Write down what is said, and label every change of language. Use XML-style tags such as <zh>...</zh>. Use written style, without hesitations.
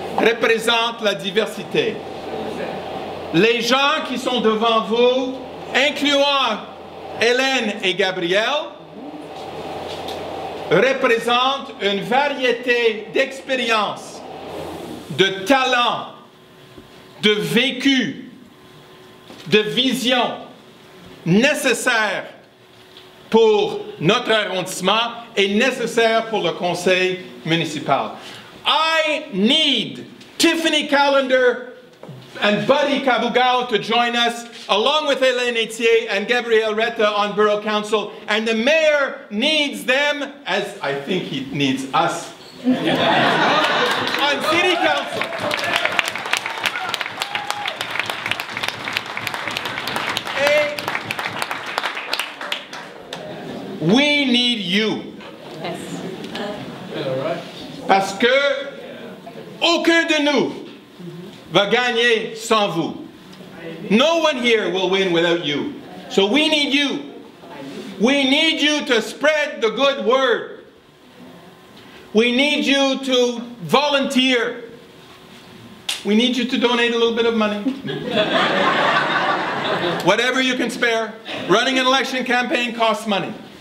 <fr>Représente la diversité. Les gens qui sont devant vous, incluant Hélène et Gabriel, représente une variété d'expériences, de talents, de vécu, de visions nécessaires pour notre arrondissement et nécessaires pour le conseil municipal.</fr> <en>I need Tiffany Callender and Buddy Cabugao to join us, along with Hélène Etier and Gabriel Retta on Borough Council, and the mayor needs them, as I think he needs us, on City Council. Hey, we need you. Yes.</en> <fr>Parce que aucun de nous va gagner sans vous.</fr> <en>No one here will win without you. So we need you. We need you to spread the good word. We need you to volunteer. We need you to donate a little bit of money. Whatever you can spare. Running an election campaign costs money.</en>